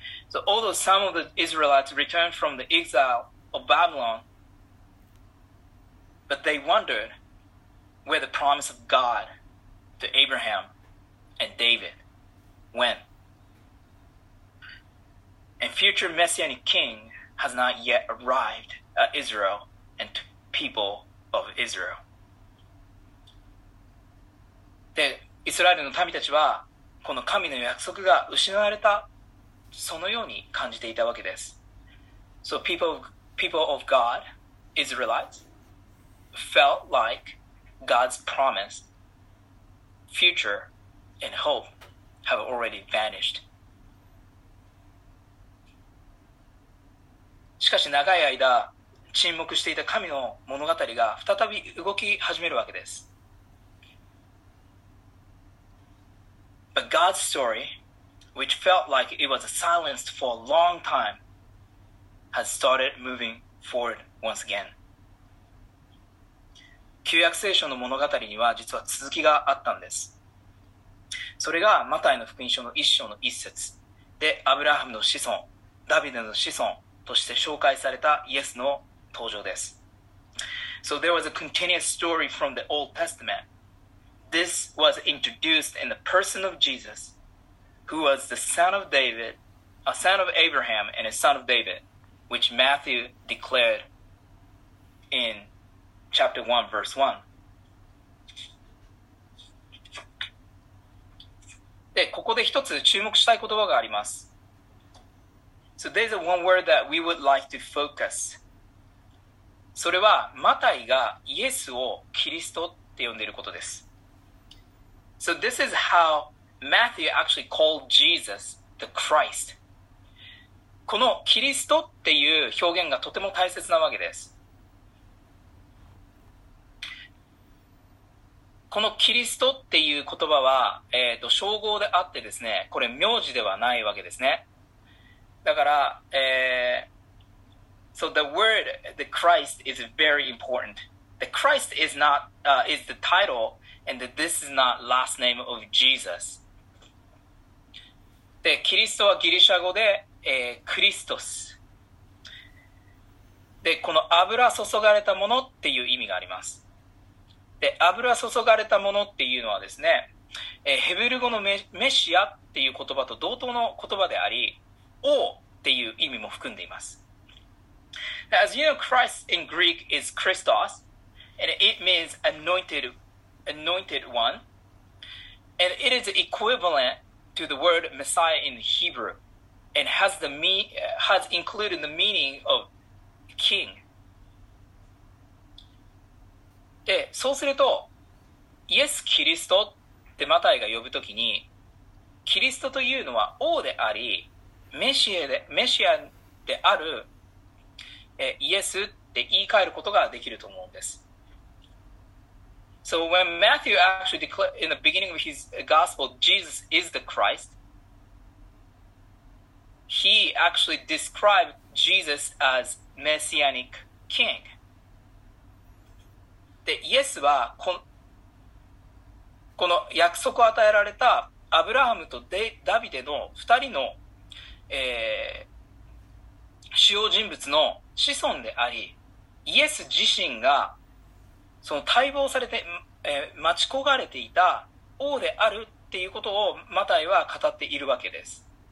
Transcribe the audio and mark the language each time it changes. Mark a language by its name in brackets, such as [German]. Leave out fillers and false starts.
[English] So although some of the Israelites returned from the exile of Babylon, but they wondered where the promise of God to Abraham and David went. And future messianic king has not yet arrived at Israel and people of Israel. [Japanese] で、イスラエルの民たちはこの神の約束が失われた、そのように感じていたわけです。 [English] So people of God, Israelites, felt like God's promise, future, and hope have already vanished. [Japanese] しかし長い間沈黙していた神の物語が再び動き始めるわけです。 [English] But God's story, which felt like it was silenced for a long time, has started moving forward once again. [Japanese] 旧約聖書の物語には実は続きがあったんです。それがマタイの福音書の一章の一節で、アブラハムの子孫、ダビデの子孫として紹介されたイエスの登場です。 [English] So there was a continuous story from the Old Testament. This was introduced in the person of Jesus, who was the son of David, a son of Abraham and a son of David, which Matthew declared inChapter 1, verse 1. [Japanese] で、ここで一つ注目したい言葉があります。 [English] So there's one word that we would like to focus. [Japanese] それは、マタイがイエスをキリストって呼んでいることです。 [English] So this is how Matthew actually called Jesus the Christ. [Japanese] このキリストっていう表現がとても大切なわけです。このキリストっていう言葉は、称号であってですね、これ名字ではないわけですね。だから、 [English] So the word, the Christ is very important. The Christ is not, is the title, and this is not last name of Jesus. [Japanese] で、キリストはギリシャ語で、クリストス。で、この油注がれたものっていう意味があります。で、油注がれたものっていうのはですね、ヘブル語のメシアっていう言葉と同等の言葉であり、王っていう意味も含んでいます。 [English] As you know, Christ in Greek is Christos, and it means anointed one, and it is equivalent to the word Messiah in Hebrew, and has included the meaning of king. [Japanese] で、そうすると、イエス・キリストってマタイが呼ぶときに、キリストというのは王であり、メシアである、イエスって言い換えることができると思うんです。 [English] So when Matthew actually declared in the beginning of his gospel, Jesus is the Christ, he actually described Jesus as messianic king. [Japanese] で、イエスはこの約束を与えられたアブラハムとダビデの2人の、主要人物の子孫であり、イエス自身がその待望されて、待ち焦がれていた王であるっていうことをマタイは語っているわけです。